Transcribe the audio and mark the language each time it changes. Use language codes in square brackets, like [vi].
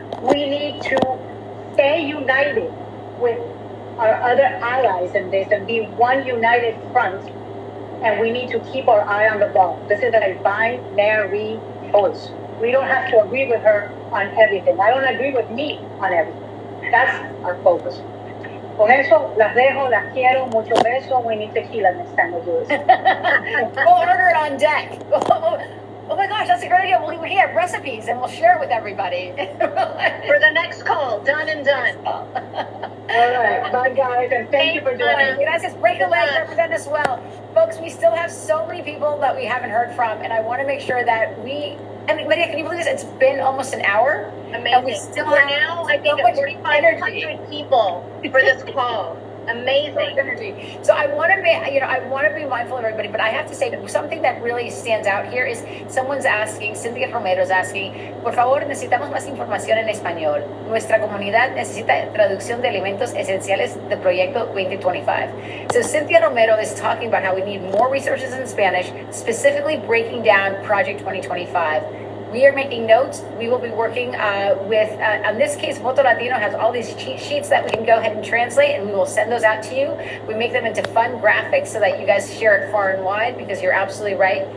[en] We need to stay united with our other allies in this and be one united front. And we need to keep our eye on the ball. This is a binary choice. We don't have to agree with her on everything. I don't agree with me on everything. That's our focus. [es] Con eso, las dejo, las quiero, mucho beso. [en] We need tequila next time we do this. Order on deck. Oh my gosh, that's a great idea. We have recipes and we'll share it with everybody. For the next call, done and done. All right, bye guys, and thank you for joining. You guys just break the leg for them as well. Folks, we still have so many people that we haven't heard from, and I want to make sure that we, I mean, Maria, can you believe this? It's been almost an hour. Amazing. And we still for have now, I think 4,500 people for this call. Amazing. So I want to be, you know, I want to be mindful of everybody, but I have to say something that really stands out here is someone's asking, Cynthia Romero is asking, [es] por favor, necesitamos más información en español. Nuestra comunidad necesita traducción de alimentos esenciales de proyecto 2025. [en] So Cynthia Romero is talking about how we need more resources in Spanish, specifically breaking down Project 2025. We are making notes. We will be working with, in this case, Voto Latino has all these cheat sheets that we can go ahead and translate, and we will send those out to you. We make them into fun graphics so that you guys share it far and wide, because you're absolutely right.